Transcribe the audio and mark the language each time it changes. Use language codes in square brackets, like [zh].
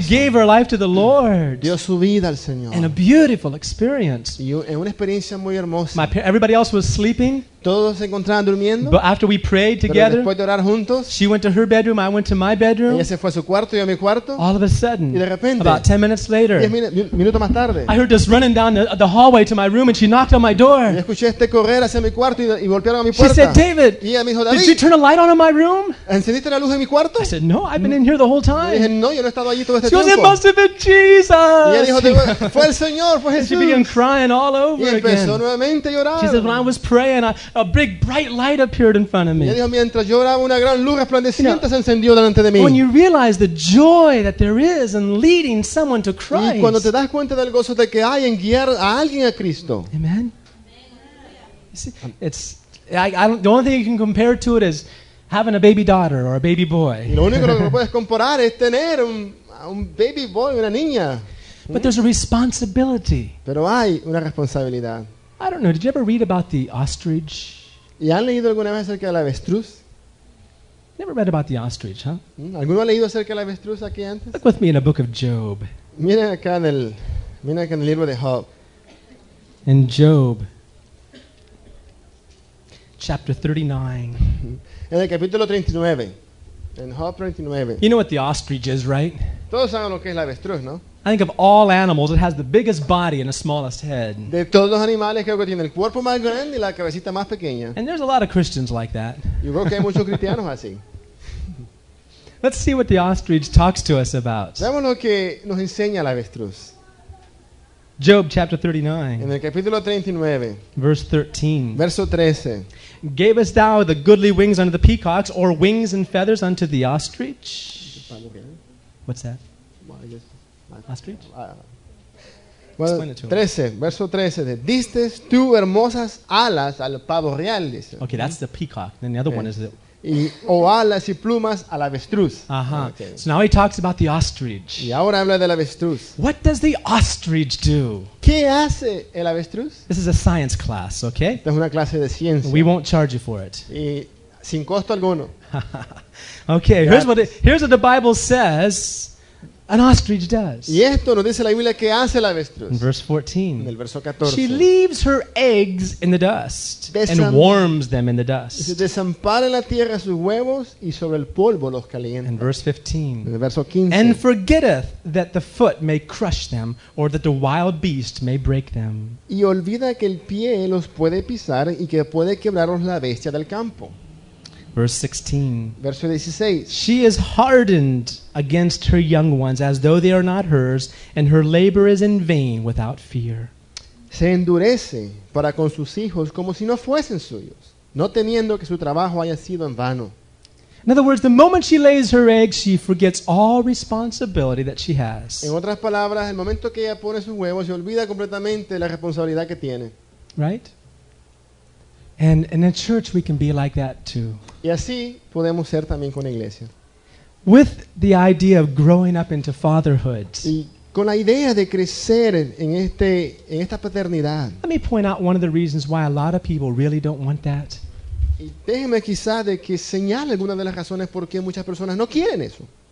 [en] She gave her life to the Lord. [es] Dio su vida al Señor. [en] And a beautiful experience. [es] Y una experiencia muy hermosa. [en] Everybody else was sleeping. [es] Todos se encontraban durmiendo. [en] But after we prayed together, [es] pero después de orar juntos, [en] she went to her bedroom, I went to my bedroom. [es] Ella se fue a su cuarto, yo a mi cuarto. [en] All of a sudden, [es] y de repente, [en] about 10 minutes later, [es] 10 minutos más tarde, [en] I heard this running down the hallway to my room and she knocked on my door. [es] Y escuché este correr hacia mi cuarto y golpearon a mi puerta. [en] She said, David, [es] y ella me dijo, David, [en] did you turn a light on in my room? [es] ¿Encendiste la luz en mi cuarto? [en] I said, no, I've been in here the whole time. [es] Y dije, no, yo no he estado allí todo este [en] she [es] tiempo. [en] Goes, it must have been Jesus. [es] Y ella dijo, fue el Señor, fue Jesús. [en] She began crying all over [es] y empezó [en] again. [es] Nuevamente a llorar. [en] She said, when I was praying, a big bright light appeared in front of me. [es] Mientras yo oraba, una gran luz resplandeciente se encendió delante de mí. [en] When you realize the joy that there is in leading someone to Christ. [es] Y cuando te das cuenta del gozo de que hay en guiar a alguien a Cristo. [en] Amen. It's I don't, the only thing you can compare to it is having a baby daughter or a baby boy. [es] Lo único que puedes comparar es tener un [en] baby boy, [es] una niña. [en] But there's a responsibility. [es] Pero hay una responsabilidad. [en] I don't know. Did you ever read about the ostrich? [es] ¿Y han leído alguna vez acerca de la avestruz? [en] Never read about the ostrich, huh? [es] ¿Alguno ha leído acerca de la avestruz aquí antes? [en] Look with me in the book of Job. [es] Mira acá en el libro de Job. [en] In Job, chapter 39. [es] En el capítulo 39. En Job 39. [en] You know what the ostrich is, right? [es] Todos saben lo que es la avestruz, ¿no? [en] I think of all animals, it has the biggest body and the smallest head. [es] De todos los animales, creo que tiene el cuerpo más grande y la cabecita más pequeña. [en] And there's a lot of Christians like that. [es] Yo creo que hay muchos cristianos así. [en] Let's see what the ostrich talks to us about. [es] Veamos lo que nos enseña la avestruz. [en] Job chapter 39. [es] En el capítulo 39. [en] Verse 13. [es] Verso 13. [en] Gavest thou the goodly wings unto the peacocks, or wings and feathers unto the ostrich? What's that? Ostrich? [es] Well, 13, verso 13. Diste tú hermosas alas al pavo real. Dice. [en] Okay, that's the peacock. Then the other one is the... [es] Y, o alas y plumas al avestruz. [en] Ajá. So now he talks about the ostrich. [es] Y ahora habla del avestruz. [en] What does the ostrich do? [es] ¿Qué hace el avestruz? [en] This is a science class, okay? [es] Esta es una clase de ciencia. [en] We won't charge you for it. [es] Y sin costo alguno. [en] Okay, here's what the Bible says... An ostrich does. [es] Y esto nos dice la Biblia que hace la avestruz. [en] In verse 14. [es] En el verso 14. [en] She leaves her eggs in the dust and warms them in the dust. [es] Se desampara en la tierra sus huevos y sobre el polvo los calienta. [en] In verse 15. [es] En el verso 15. [en] And forgetteth that the foot may crush them or that the wild beast may break them. [es] Y olvida que el pie los puede pisar y que puede quebraros la bestia del campo. [en] Verse 16. [es] Verso 16. [en] She is hardened against her young ones as though they are not hers, and her labor is in vain without fear. [es] Se endurece para con sus hijos como si no fuesen suyos, no temiendo que su trabajo haya sido en vano. [en] In other words, the moment she lays her eggs, she forgets all responsibility that she has. [es] En otras palabras, el momento que ella pone sus huevos, se olvida completamente la responsabilidad que tiene. [en] Right? And in church we can be like that too. [es] Y así podemos ser también con la iglesia. [en] With the idea of growing up into fatherhood. [es] Y con la idea de crecer en esta paternidad. [en] Let me point out one of the reasons why a lot of people really don't want that. [es] Y déjeme quizá de que señale alguna de las razones por qué muchas personas no quieren eso.